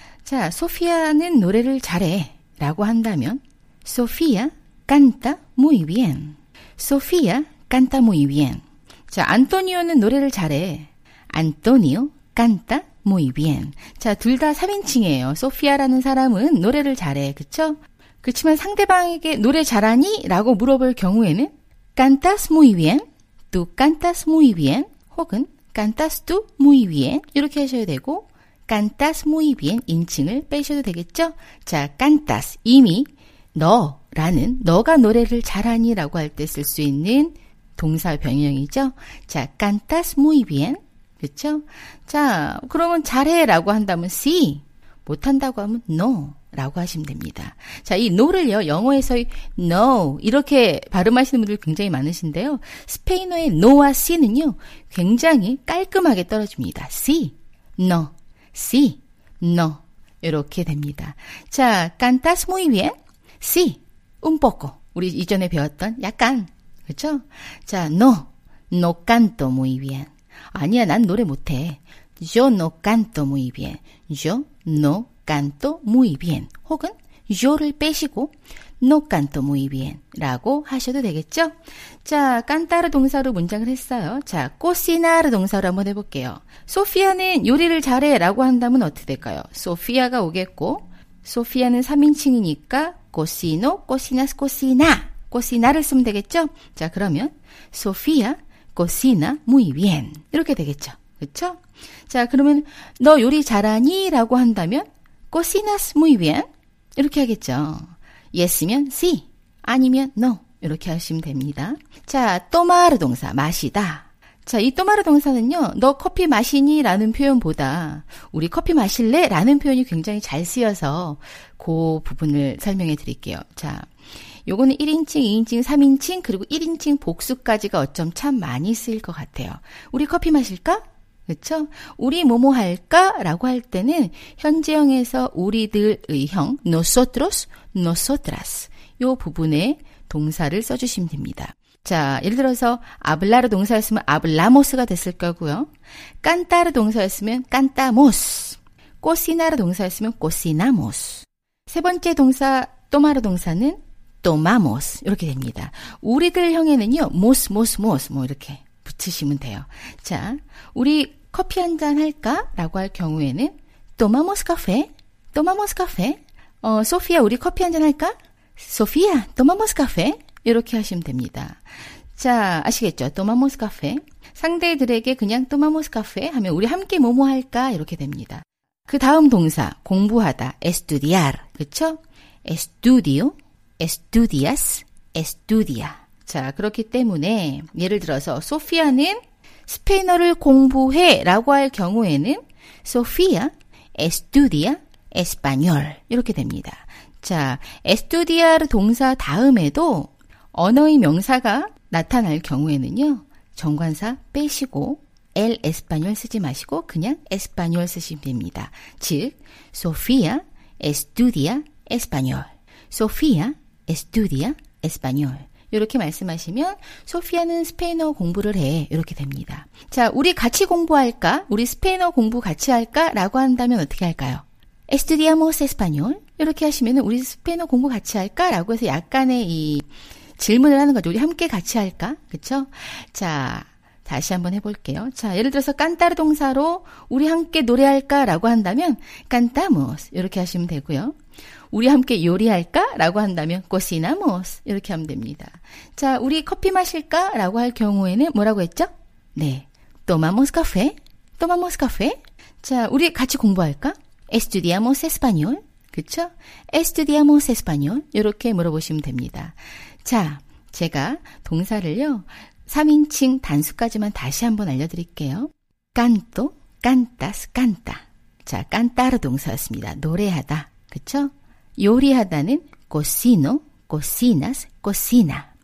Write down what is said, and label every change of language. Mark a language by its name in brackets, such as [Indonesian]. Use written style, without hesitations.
[Korean] 자, 소피아는 노래를 잘해 라고 한다면 [Spanish] Sofía canta muy bien. Sofía canta muy bien. [Korean] 자, 안토니오는 노래를 잘해. [Spanish] Antonio canta muy bien. [Korean] 자, 둘 다 3인칭이에요. 소피아라는 사람은 노래를 잘해. 그쵸? 그렇지만 상대방에게 노래 잘하니? 라고 물어볼 경우에는 [Spanish] cantas muy bien, tú cantas muy bien, 혹은 cantas tú muy bien [Korean] 이렇게 하셔야 되고 [Spanish] cantas muy bien [Korean] 인칭을 빼셔도 되겠죠? 자, cantas 이미 너라는 너가 노래를 잘하니? 라고 할 때 쓸 수 있는 동사 변형이죠. [Spanish] 자, cantas muy bien 그렇죠? [Korean] 자, 그러면 잘해라고 한다면 sí, 못한다고 하면 no라고 하시면 됩니다. 자, 이 no를요 영어에서의 no 이렇게 발음하시는 분들 굉장히 많으신데요. 스페인어의 no와 sí는요 굉장히 깔끔하게 떨어집니다. [Spanish] sí, no, sí, no [Korean] 이렇게 됩니다. [Spanish] 자, cantas muy bien, sí, un poco. [Korean] 우리 이전에 배웠던 약간, 그렇죠? [Spanish] 자, no, no canto muy bien. [Korean] 아니야, 난 노래 못해. [Spanish] Yo no canto muy bien. Yo no canto muy bien. 혹은 yo를 빼시고 no canto muy bien [Korean] 라고 하셔도 되겠죠? 자, cantar 동사로 문장을 했어요. 자, cocinar 동사로 한번 해볼게요. 소피아는 요리를 잘해 라고 한다면 어떻게 될까요? 소피아가 오겠고 소피아는 3인칭이니까 [Spanish] cocino, cocinas, cocina, [Korean] cocinar을 쓰면 되겠죠? 자, 그러면 소피아 [Spanish] cocina muy bien [Korean] 이렇게 되겠죠? 그쵸? 자, 그러면 너 요리 잘하니? 라고 한다면 [Spanish] cocinas muy bien? [Korean] 이렇게 하겠죠. yes면 sí, 아니면 no 이렇게 하시면 됩니다. 자, tomar 동사, 마시다. 자, 이 tomar 동사는요, 너 커피 마시니? 라는 표현보다 우리 커피 마실래? 라는 표현이 굉장히 잘 쓰여서 그 부분을 설명해 드릴게요. 자, 요거는 1인칭, 2인칭, 3인칭, 그리고 1인칭 복수까지가 어쩜 참 많이 쓰일 것 같아요. 우리 커피 마실까? 그쵸? 우리 뭐뭐 할까? 라고 할 때는 현재형에서 우리들의 형, nosotros, nosotras 요 부분에 동사를 써주시면 됩니다. 자, 예를 들어서 hablar 동사였으면 hablamos가 됐을 거고요. cantar 동사였으면 cantamos, cocinar 동사였으면 cocinamos. 세 번째 동사, tomar 동사는 tomamos 이렇게 됩니다. 우리들 형에는요, mos, mos, mos 뭐 이렇게 붙이시면 돼요. 자, 우리 커피 한잔 할까? 라고 할 경우에는 [Spanish] tomamos café? tomamos café? [Korean] 소피아 우리 커피 한잔 할까? [Spanish] 소피아 tomamos café? [Korean] 이렇게 하시면 됩니다. 자, 아시겠죠? [Spanish] tomamos café? [Korean] 상대들에게 그냥 [Spanish] tomamos café? [Korean] 하면 우리 함께 뭐뭐 할까? 이렇게 됩니다. 그 다음 동사 공부하다 estudiar 그쵸? [Spanish] estudio, estudias, estudia. [Korean] 자, 그렇기 때문에 예를 들어서 소피아는 스페인어를 공부해 라고 할 경우에는 [Spanish] Sofía estudia español [Korean] 이렇게 됩니다. 자, estudiar 동사 다음에도 언어의 명사가 나타날 경우에는요, 정관사 빼시고 el español 쓰지 마시고 그냥 español 쓰시면 됩니다. [Spanish] 즉, Sofía estudia español. Sofía estudia español. [Korean] 이렇게 말씀하시면 소피아는 스페인어 공부를 해 이렇게 됩니다. 자, 우리 같이 공부할까? 우리 스페인어 공부 같이 할까? 라고 한다면 어떻게 할까요? [Spanish] Estudiamos español? [Korean] 이렇게 하시면 우리 스페인어 공부 같이 할까? 라고 해서 약간의 이 질문을 하는 거죠. 우리 함께 같이 할까? 그렇죠? 자, 다시 한번 해볼게요. 자, 예를 들어서 cantar 동사로 우리 함께 노래할까? 라고 한다면 cantamos 이렇게 하시면 되고요. 우리 함께 요리할까? 라고 한다면 cocinamos 이렇게 하면 됩니다. 자, 우리 커피 마실까? 라고 할 경우에는 뭐라고 했죠? 네, [Spanish] tomamos café? tomamos café? [Korean] 자, 우리 같이 공부할까? [Spanish] estudiamos español? 그쵸? estudiamos español? [Korean] 이렇게 물어보시면 됩니다. 자, 제가 동사를요, 3인칭 단수까지만 다시 한번 알려드릴게요. [Spanish] canto, cantas, canta. [Korean] 자, cantar 동사였습니다. 노래하다, 그쵸? 요리하다는 [Spanish] cocino, cocinas, cocina.